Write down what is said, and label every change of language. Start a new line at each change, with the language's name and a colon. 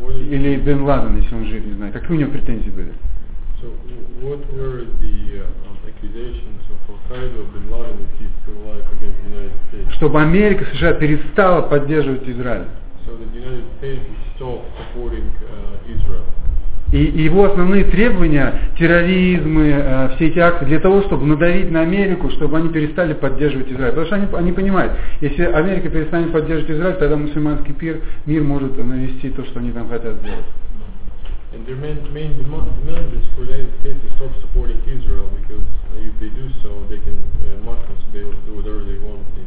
Russian: Или Бен Ладен, если он жив, не знаю, какие у него претензии были?
English: So what were the accusations of Al-Qaeda or Bin Laden if he's still alive against the United States?
Russian: Чтобы Америка, США перестала поддерживать Израиль.
English: So the United States is still supporting Israel.
Russian: И его основные требования, терроризм и все эти акции, для того, чтобы надавить на Америку, чтобы они перестали поддерживать Израиль. Потому что они понимают, если Америка перестанет поддерживать Израиль, тогда мусульманский мир может навести то, что они там хотят сделать.
English: And their main demand is for the United States to stop supporting Israel, because if they do so, they can, Muslims, they will do whatever they want.